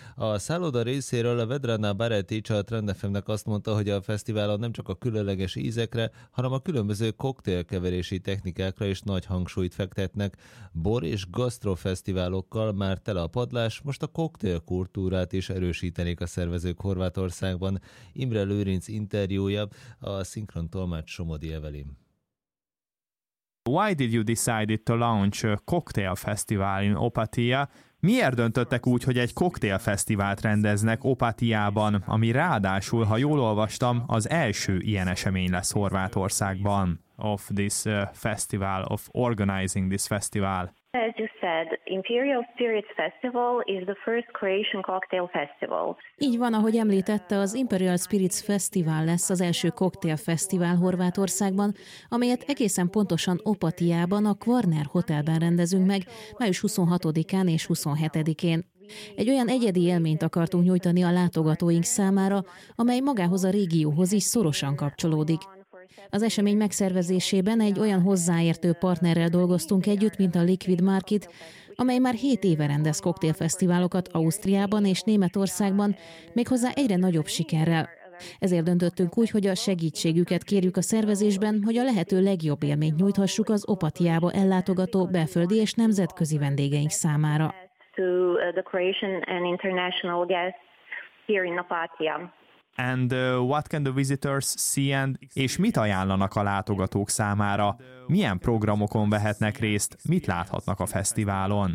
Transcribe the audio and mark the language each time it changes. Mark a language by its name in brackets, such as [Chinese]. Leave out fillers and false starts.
[Hungarian] A szálloda részéről a Vedrana Baretic a Trend FM-nek azt mondta, hogy a fesztiválon nem csak a különleges ízekre, hanem a különböző koktélkeverési technikákra is nagy hangsúlyt fektetnek. Bor és gasztrofesztiválokkal már tele a padlás, most a koktélkultúrát is erősítenék a szervezők Horvátországban. Imre Lőrinc interjúja a szinkron tolmács Somodi Evelin. [English] Why did you decide to launch a cocktail festival in Opatija? [Hungarian] Miért döntöttek úgy, hogy egy koktélfesztivált rendeznek Opatiában, ami ráadásul, ha jól olvastam, az első ilyen esemény lesz Horvátországban? [English] Of this festival, of organizing this festival. As you said, Imperial Spirits Festival is the first Croatian cocktail festival. [Hungarian] Így van, ahogy említette, az Imperial Spirits Festival lesz az első koktélfesztivál Horvátországban, amelyet egészen pontosan Opatiában, a Kvarner Hotelben rendezünk meg, május 26-án és 27-én. Egy olyan egyedi élményt akartunk nyújtani a látogatóink számára, amely magához a régióhoz is szorosan kapcsolódik. Az esemény megszervezésében egy olyan hozzáértő partnerrel dolgoztunk együtt, mint a Liquid Market, amely már 7 éve rendez koktélfesztiválokat Ausztriában és Németországban, méghozzá egyre nagyobb sikerrel. Ezért döntöttünk úgy, hogy a segítségüket kérjük a szervezésben, hogy a lehető legjobb élményt nyújthassuk az Opatiába ellátogató belföldi és nemzetközi vendégeink számára. [English] To the Croatian and international guests here in Opatija. And what can the visitors see and [Hungarian] és mit ajánlanak a látogatók számára? Milyen programokon vehetnek részt? Mit láthatnak a fesztiválon?